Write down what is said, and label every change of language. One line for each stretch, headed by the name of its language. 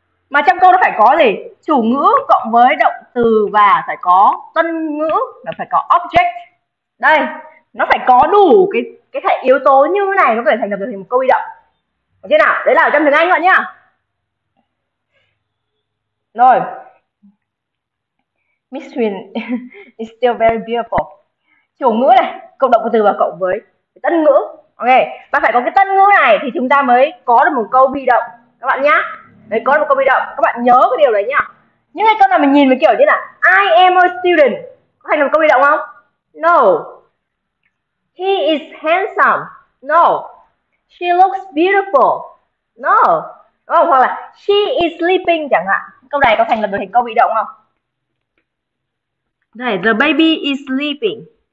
Vietnamese: Mà trong câu nó phải có gì? Chủ ngữ cộng với động từ và phải có tân ngữ là phải có object. Đây, nó phải có đủ cái yếu tố như này nó có thể thành lập được thành một câu bị động. Được chưa nào? Đấy là ở trong tiếng Anh các bạn nhá.
English: Miss Huyền is still very beautiful.
Vietnamese: Chủ ngữ này, cộng động từ và cộng với cái tân ngữ. Ok, và phải có cái tân ngữ này thì chúng ta mới có được một câu bị động các bạn nhá. Đấy, có được một câu bị động. Các bạn nhớ cái điều đấy nhá. Những cái câu nào mình nhìn với kiểu như là
English: I am a student
Vietnamese: có thành lập một câu bị động không?
English: No. He is handsome. No. She looks beautiful. No.
Vietnamese: đúng không? Hoặc là
English: she is sleeping
Vietnamese: chẳng hạn. Câu này có thành lập được thành câu bị động không? Đây,
English: the baby is sleeping.